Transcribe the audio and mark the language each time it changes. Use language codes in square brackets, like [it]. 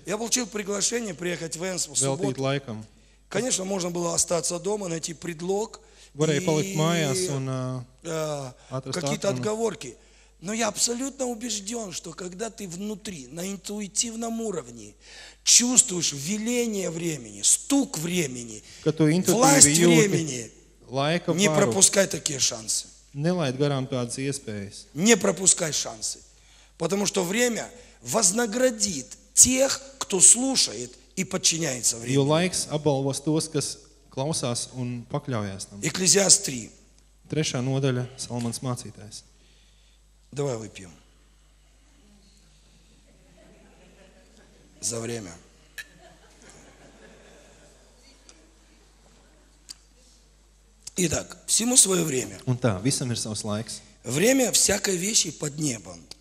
[ru] Я получил приглашение приехать в Энсмус в субботу. [lv] Veltīt laikam. [ru] Конечно, можно было остаться дома, найти предлог. [lv] Varēja palikt mājās un atrast [ru] какие-то отговорки. Но я абсолютно убеждён, что когда ты внутри, на интуитивном уровне, чувствуешь веление времени, стук времени, власть времени, [lv] laika varu, [ru] не пропускай такие шансы. [lv] Nelaid garām tādas iespējas. [ru] Не пропускай шансы. Потому что время вознаградит тех, кто слушает и подчиняется времени. [lv] Jo laiks apbalvos tos, kas klausās un pakļaujās tam. [en] Ecclesiastes 3. [lv] Trešā nodaļa, Salmons mācītājs. [ru] Давай выпьем. За время. Итак, всему своё время. [lv] Un tā, visam ir savs laiks. [ru] Время всякой вещи под небом.